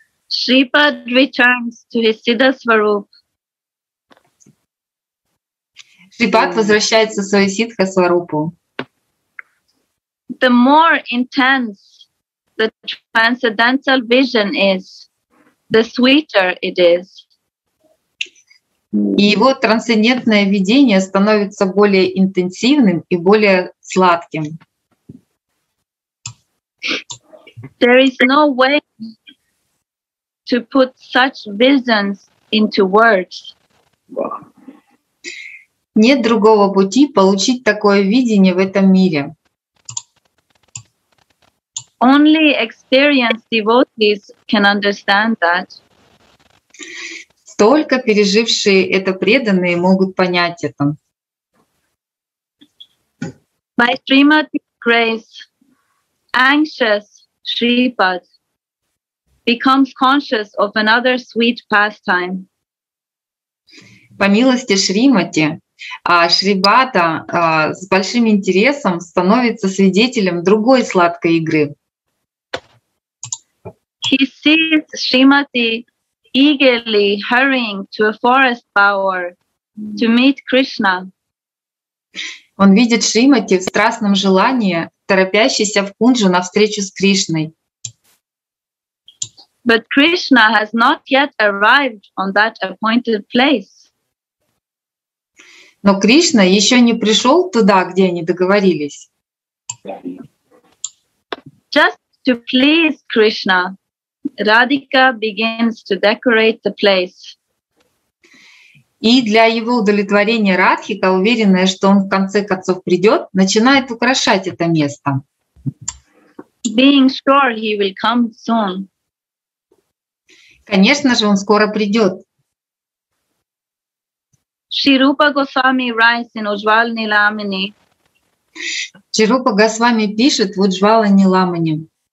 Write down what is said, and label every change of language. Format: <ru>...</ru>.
<en>Shripad returns to his Siddha Swarup.</en> <ru>Shripad возвращается в свою ситха сварупу.</ru> <en>The more intense the transcendental vision is, the sweeter it is.</en> <ru>И его трансцендентное видение становится более интенсивным и более сладким.</ru> <en>There is no way to put such visions into words.</en> <ru>Нет другого пути получить такое видение в этом мире.</ru> <en>Only experienced devotees can understand that.</en> <ru>Только пережившие это преданные могут понять это.</ru> <en>By Srimati grace, anxious Shripad becomes conscious of another sweet pastime.</en> <ru>По милости Шримати, Шрибата с большим интересом становится свидетелем другой сладкой игры.</ru> <en>He sees Shrimati eagerly hurrying to a forest bower to meet Krishna.</en> <ru>Он видит Шримати в страстном желании, торопящейся в кунджу навстречу с Кришной.</ru> <en>But Krishna has not yet arrived on that appointed place.</en> <ru>Но Кришна еще не пришел туда, где они договорились.</ru> <en>Just to please Krishna, Radhika begins to decorate the place.</en> <ru>И для его удовлетворения Радхика, уверенная, что он в конце концов придет, начинает украшать это место.</ru> <en>Being sure he will come soon.</en> <ru>Конечно же, он скоро придет.</ru> <en>Шрупа Госвами writes in Ujjwala Nilamani.</en> <ru>Шрупа Госвами пишет в Ujjwala Nilamani.</ru>